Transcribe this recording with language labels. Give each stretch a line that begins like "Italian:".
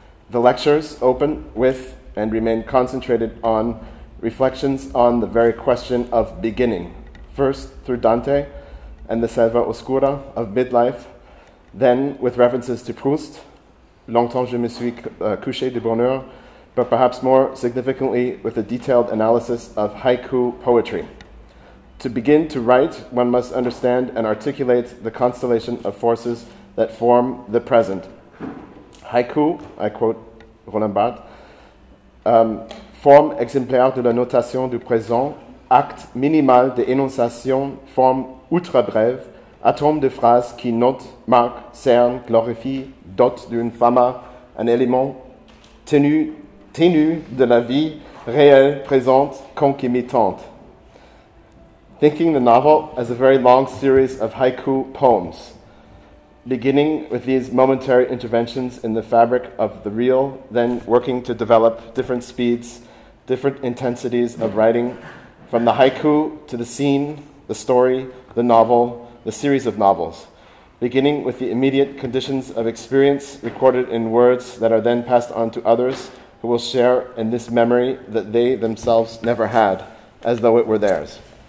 English: The lectures open with and remain concentrated on reflections on the very question of beginning, first through Dante and the
Italian: selva oscura
English: of midlife, then with references to Proust,
French: Longtemps je me suis couché de bonheur,
English: but perhaps more significantly with a detailed analysis of haiku poetry. To begin to write, one must understand and articulate the constellation of forces that form the present.
French: Haiku,
English: I quote
French: Roland Barthes, forme exemplaire de la notation du présent, acte minimal de énonciation, forme ultra brève, atome de phrase qui note, marque, cerne, glorifie, dote d'une fama, un élément tenu de la vie réelle, présente, concomitante.
English: Thinking the novel as a very long series of haiku poems, beginning with these momentary interventions in the fabric of the real, then working to develop different speeds, different intensities of writing, from the haiku to the scene, the story, the novel, the series of novels, beginning with the immediate conditions of experience recorded in words that are then passed on to others who will share in this memory that they themselves never had, as though it were theirs.